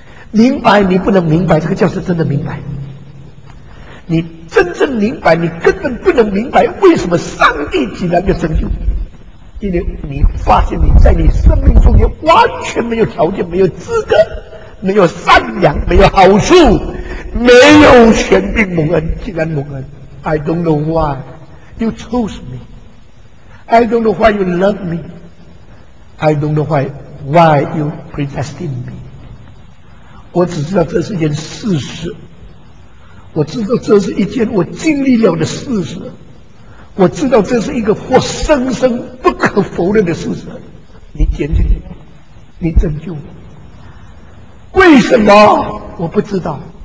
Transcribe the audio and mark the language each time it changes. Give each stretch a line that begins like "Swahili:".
Chinese: 明白你不能明白，这个叫是真的明白。你真正明白，你根本不能明白为什么上帝竟然要拯救你，因为你发现你在你生命中间完全没有条件、没有资格、没有善良、没有好处、没有权柄蒙恩。竟然蒙恩，
English: I don't know why you chose me, I don't know why you love me, I don't know why you predestined me。
Chinese: 我只知道这是一件事实，我知道这是一件我经历了的事实，我知道这是一个活生生不可否认的事实。你拣选我，你拯救我，为什么？我不知道。